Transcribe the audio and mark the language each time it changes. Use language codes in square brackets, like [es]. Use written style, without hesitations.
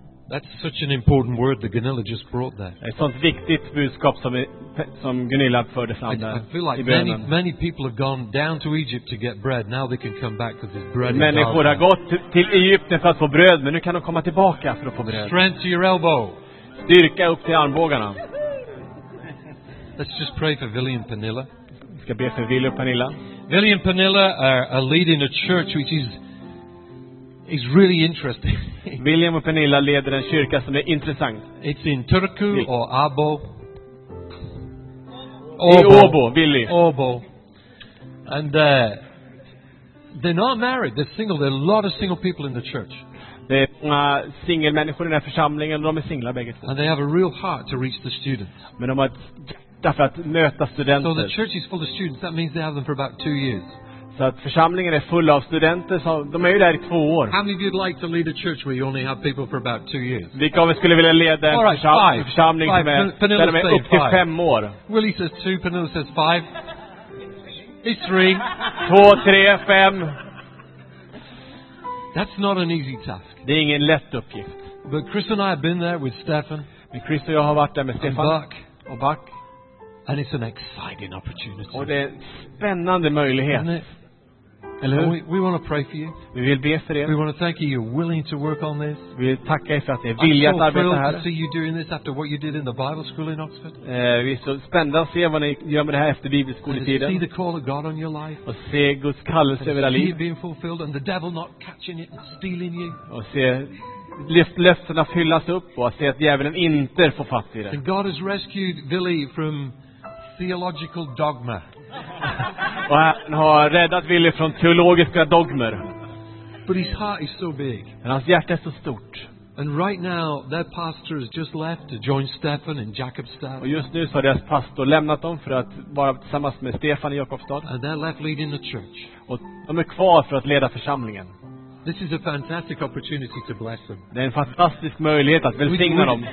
[en] That's such an important word that Gunilla just brought there. [sv] Ett sånt viktigt budskap som Gunilla förde fram där. [en] I feel like many people have gone down to Egypt to get bread. Now they can come back because there's bread. [sv] Människor har gått till Egypten för att få bröd, men nu kan de komma tillbaka för att få bröd. [en] Strength to your elbow. [sv] Styrka upp till armbågarna. [en] Let's just pray for Vili and Pernilla. [sv] Vi ska be för Vili och Pernilla. [en] Vili and Pernilla are leading a church which is really interesting. [sv] William och Pernilla leder en kyrka som är intressant. [en] It's in Turku or Abo. [sv] Obo. [en] And they're not married. They're single. There are a lot of single people in the church. [sv] Det är singelmänniskor i den här församlingen. De är singlar bägge två. [en] And they have a real heart to reach the students. [sv] Men de har därför att möta studenter. [en] So the church is full of students. That means they have them for about 2 years. [sv] Så att församlingen är full av studenter, så de är ju där i 2 år. [en] How many of you'd like to lead a church where you only have people for about 2 years? [sv] Vilka av er skulle vilja leda församling som är där med upp till 5 år? [en] Willie says 2, Pernilla says 5. It's 3. 2, 3, 5. That's not an easy task. [sv] Det är ingen lätt uppgift. [en] But Chris and I have been there with Stefan. [sv] Men Chris och jag har varit där med Stefan. [en] Och Buck. And it's an exciting opportunity. [sv] Och det är en spännande möjlighet. [en] Eller we want to pray for you. [sv] Vi vill be för er. [en] We want to thank you. You're willing to work on this. [sv] Vi vill tacka er för att ni är villiga att arbeta här. [en] See you doing this after what you did in the Bible school in Oxford. [sv] Vi är så spända att se vad ni gör med det här efter bibelskoletiden. [en] See the call of God on your life. [sv] Och se Guds kallelse över era liv. [en] Being fulfilled and the devil not catching it and stealing you. [sv] Och se löftena fyllas upp och se att djävulen inte får fatt i det. [en] And God has rescued Billy from theological dogma. [sv] Och han har räddat Willy från teologiska dogmer. [en] But his heart is so big. [sv] Men hans hjärta är så stort. [en] And right now their pastor has just left to join Stefan and Jakob Stad. [sv] Och just nu så har deras pastor lämnat dem för att vara tillsammans med Stefan och Jakob Stad. [en] And they're left leading the church. [sv] Och de är kvar för att leda församlingen. [en] This is a fantastic opportunity to bless them. [sv] Det är en fantastisk möjlighet att välsigna dem.